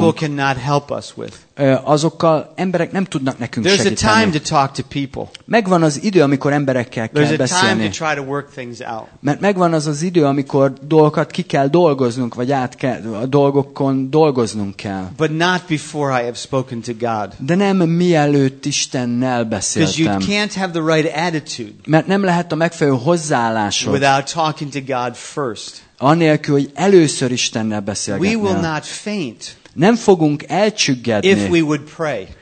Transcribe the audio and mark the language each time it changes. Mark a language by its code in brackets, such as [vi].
[en] People cannot help us with. [hu] Azokkal emberek nem tudnak nekünk [en] there's [hu] segíteni. [en] There's a time to talk to people. [hu] Megvan az idő, amikor emberekkel kell [en] there's [hu] beszélni. [en] There's a time to try to work things out. [hu] Mert megvan az idő, amikor dolgokat ki kell dolgoznunk, vagy át kell, a dolgokon dolgoznunk kell. [en] But not before I have spoken to God. [hu] De nem mielőtt Istennel beszéltem. [en] Because you can't have the right attitude. [hu] Mert nem lehet a megfelelő hozzáállásod. [en] Without talking to God first. [hu] Anélkül, hogy először Istennel beszélgetnél. [en] We will not faint. [hu] Nem fogunk elcsüggedni. [en] If we would pray.